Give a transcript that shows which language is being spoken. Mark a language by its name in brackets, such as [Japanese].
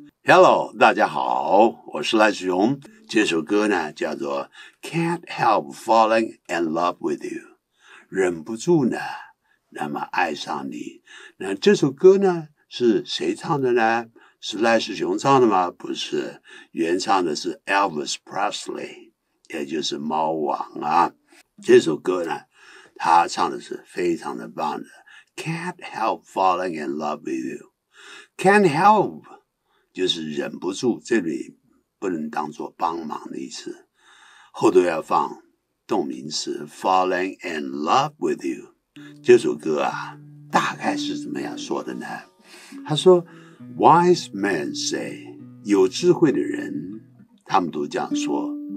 [Chinese] Hello, 大家好，我是赖世荣。这首歌呢叫做 Can't Help Falling in Love with You， 忍不住呢那么爱上你。那这首歌呢是谁唱的呢？是赖世雄唱的吗？不是，原唱的是 Elvis Presley， 也就是猫王啊。这首歌呢他唱的是非常的棒的， Can't help falling in love with you。 Can't help 就是忍不住，这里不能当作帮忙的意思，后头要放动名词 [English] falling in love with you。 [Chinese] 这首歌啊大概是怎么样说的呢？他说 [English] Wise men say， [Chinese] 有智慧的人他们都这样说。